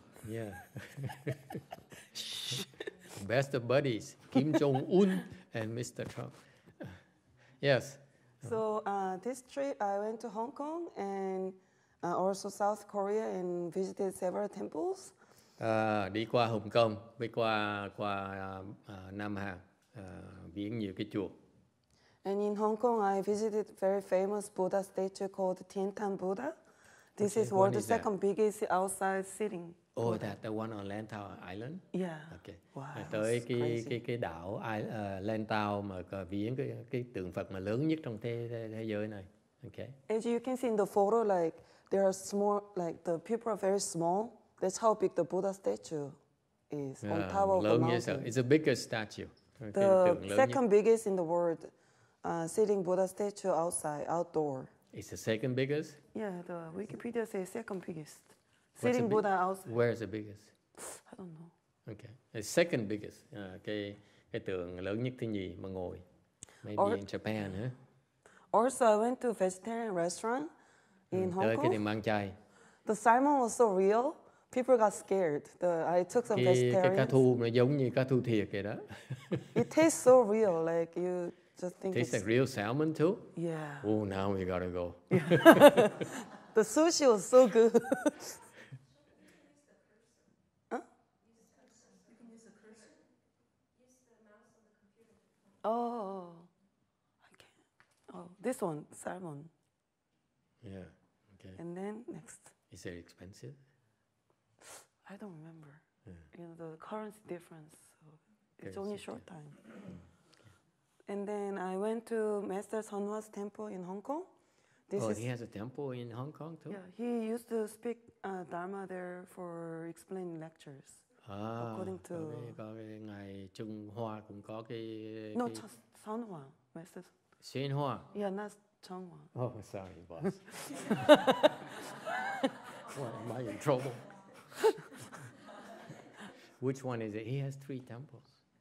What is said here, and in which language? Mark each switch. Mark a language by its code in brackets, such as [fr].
[en] Yeah. Best of buddies, Kim Jong Un and Mr. Trump. Yes. So this trip, I went to Hong Kong and also South Korea and visited several temples. [vi] Đi qua Hồng Kông, đi qua Nam Hàn, viếng nhiều cái chùa. [en] And in Hong Kong, I visited very famous Buddha statue called Tien Tan Buddha. This okay, is world is the second that? Biggest outside sitting. Oh, the one on Lantau Island. Yeah. Okay. Wow. [vi] Tới cái đảo Lantau mà viếng cái tượng Phật mà lớn nhất trong thế giới này. Okay. [en] As you can see in the photo, like there are small, like the people are very small. That's how big the Buddha statue is on top of the mountain. It's the biggest statue. The second biggest in the world, sitting Buddha statue outside, outdoor. It's the second biggest? Yeah, the Wikipedia says second biggest. Sitting Buddha outside. Where is the biggest? I don't know. Okay, the second biggest. [vi] Cái tượng lớn nhất thứ nhì mà ngồi. [en] Maybe in Japan, huh? Also, I went to a vegetarian restaurant in Hong Kong. [vi] Cái tiệm ăn chay. [en] The salmon was so real, people got scared. I took some vegetarian. [vi] Cái cá thu nó giống như cá thu thiệt vậy đó. [en] It tastes so real, like you just think tastes like real salmon too? Yeah. Oh, now we gotta go. Yeah. The sushi was so good. Oh, I can't. Oh, this one, salmon. Yeah, okay. And then next. Is it expensive? I don't remember. Yeah. You know, the currency difference. So it's only short time. Okay. And then I went to Master YongHua's temple in Hong Kong. He has a temple in Hong Kong too? Yeah, he used to speak Dharma there for explaining lectures. According to [vi] Ngài Trung Hoa cũng có cái [en] No, YongHua, Master. YongHua. Yeah, not YongHua. Oh, sorry, boss. Well, am I in trouble? Which one is it? He has three temples.